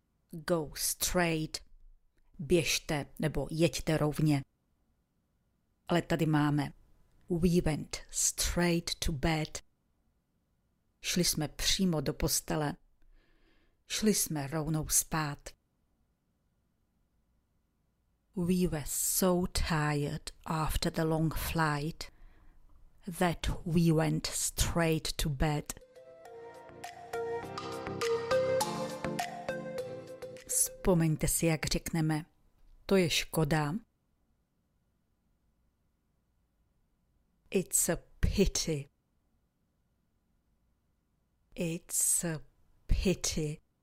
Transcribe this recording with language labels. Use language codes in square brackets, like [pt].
[en] Go straight. [cs] Běžte nebo jeďte rovně. Ale tady máme [en] we went straight to bed. [cs] Šli jsme přímo do postele. Šli jsme rovnou spát. [en] We were so tired after the long flight that we went straight to bed. [cs] Vzpomeňte si, jak řekneme. To je škoda. [en] It's a pity. It's a pity.